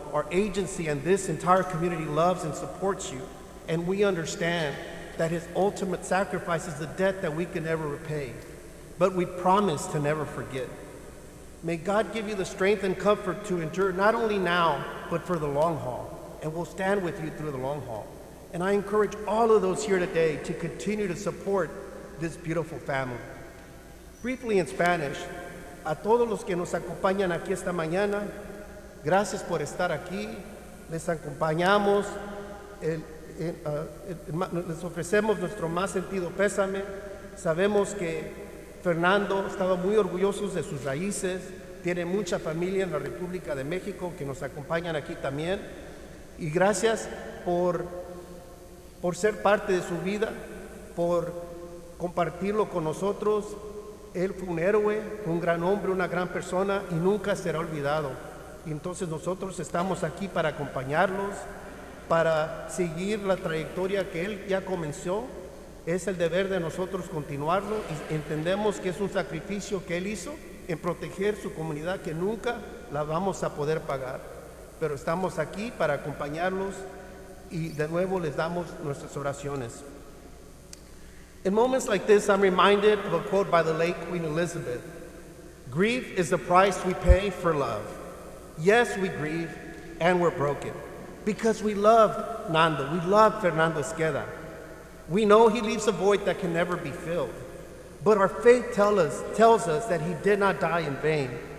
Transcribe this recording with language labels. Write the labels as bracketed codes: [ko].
[en] Our agency and this entire community loves and supports you, and we understand that his ultimate sacrifice is the debt that we can never repay, but we promise to never forget. May God give you the strength and comfort to endure not only now, but for the long haul, and we'll stand with you through the long haul. And I encourage all of those here today to continue to support this beautiful family. Briefly in Spanish, [es] a todos los que nos acompañan aquí esta mañana, gracias por estar aquí. Les acompañamos, les ofrecemos nuestro más sentido pésame. Sabemos que Fernando estaba muy orgulloso de sus raíces. Tiene mucha familia en la República de México que nos acompañan aquí también. Y gracias por ser parte de su vida, por compartirlo con nosotros. Él fue un héroe, un gran hombre, una gran persona y nunca será olvidado. Y entonces nosotros estamos aquí para acompañarlos, para seguir la trayectoria que él ya comenzó. Es el deber de nosotros continuarlo y entendemos que es un sacrificio que él hizo en proteger su comunidad que nunca la vamos a poder pagar. Pero estamos aquí para acompañarlos y de nuevo les damos nuestras oraciones. [en] In moments like this, I'm reminded of a quote by the late Queen Elizabeth. Grief is the price we pay for love. Yes, we grieve and we're broken because we love Nando. We love Fernando Esqueda. We know he leaves a void that can never be filled, but our faith tells us that he did not die in vain.